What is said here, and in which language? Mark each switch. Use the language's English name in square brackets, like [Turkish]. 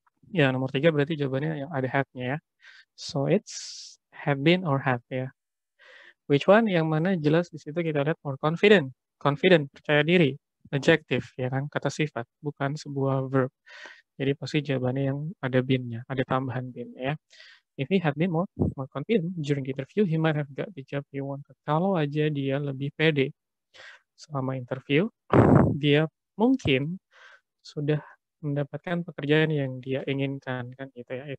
[Indonesian] Ya, nomor tiga berarti jawabannya yang ada have-nya ya. [English] So it's have been or have ya. Which one [Indonesian] yang mana jelas di situ kita lihat [English] more confident. [Indonesian] Confident, percaya diri. Adjective, ya kan? Kata sifat, bukan sebuah verb. Jadi pasti jawabannya yang ada been-nya, ada tambahan been-nya ya. [English] If he had been more confident during the interview, he might have got the job he wanted. [Indonesian] Kalau aja dia lebih pede selama interview, dia mungkin sudah mendapatkan pekerjaan yang dia inginkan, kan gitu ya.